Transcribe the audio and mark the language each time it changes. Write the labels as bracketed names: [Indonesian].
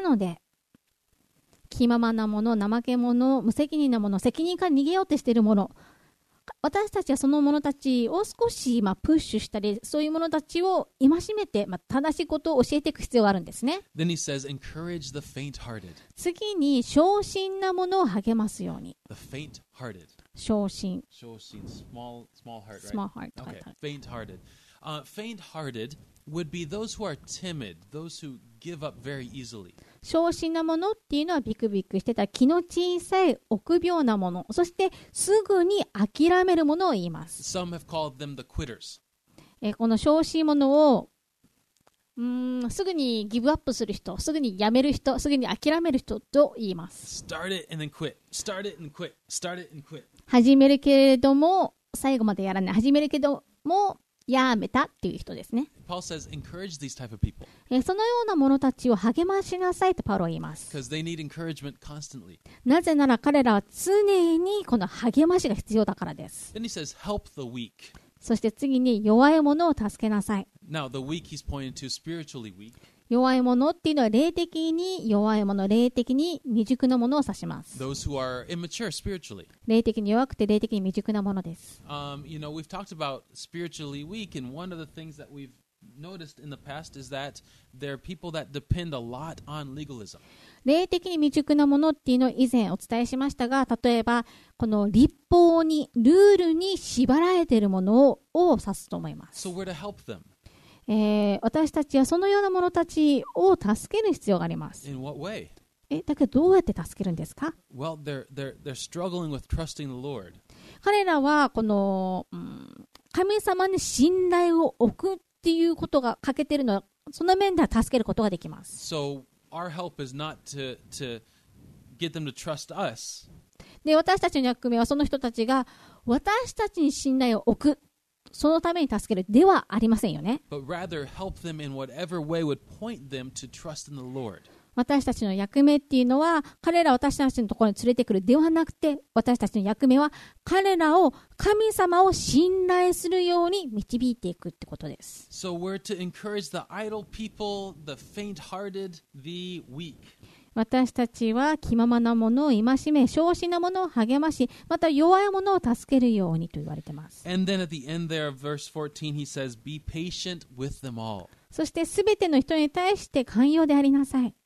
[Japanese] ので、気ままなもの、怠け者、無責任なもの、責任から逃げようとしているもの、私たちはその者たちを少し、プッシュしたり、そういう者たちを戒めて、正しいことを教えていく必要があるんですね。 [English] Then he says, encourage the faint-hearted. [Japanese] 次に、小心な者を励ますように。 [English] The faint-hearted. [Japanese] 小心 [English] small heart, right? Small heart. Okay, faint-hearted. Faint-hearted would be those who are timid, those who give up very easily. [Japanese] 小心なものっていうのはビクビクしてた気の小さい臆病なもの、そしてすぐに諦めるものを言います。 [English] Some have called them the quitters. [Japanese] この小心者をすぐにギブアップする人、すぐにやめる人、すぐに諦める人と言います。 [English] Start it and then quit. Start it and quit. Start it and quit. [Japanese] 始めるけれども最後までやらない。始めるけどもやめたっていう人ですね。 [English] Paul says, encourage these type of people. [Japanese] そのような者たちを励ましなさいとパウロは言います。 [English] Because they need encouragement constantly. [Japanese] なぜなら彼らは常にこの励ましが必要だからです。 [English] Then he says, help the weak. [Japanese] そして次に弱い者を助けなさい。 [English] Now, the weak he's pointing to spiritually weak. [Japanese] 弱いものっていうのは霊的に弱いもの、霊的に未熟なものを指します。 [English] Those who are immature spiritually. [Japanese] 霊的に弱くて霊的に未熟なものです。 [English] You know, we've talked about spiritually weak, and one of the things that we've noticed in the past is that there are people that depend a lot on legalism. [Japanese] 霊的に未熟なものっていうのを以前お伝えしましたが、例えばこの律法に、ルールに縛られているものを指すと思います。 [English] So we're to help them. [Japanese] 私たちはそのような者たちを助ける必要があります。 [English] In what way? [Japanese] だけどどうやって助けるんですか? [English] Well, they're struggling with trusting the Lord. [Japanese] 彼らはこの、神様に信頼を置くっていうことが欠けているのは、その面では助けることができます。 [English] So, our help is not to get them to trust us. [Japanese] で、私たちの役目はその人たちが私たちに信頼を置く。そのために助けるではありませんよね。 [English] But rather help them in whatever way would point them to trust in the Lord. [Japanese] 私たちの役目っていうのは彼らを私たちのところに連れてくるではなくて、私たちの役目は彼らを神様を信頼するように導いていくってことです。 [English] So we're to encourage the idle people, the faint-hearted, the weak. [Japanese] 私たちは気ままなものを戒め、小心なものを励まし、また弱いものを助けるようにと言われてます。 [English] And then at the end there of verse 14 he says, be patient with them all. [Japanese] そして全ての人に対して寛容でありなさい。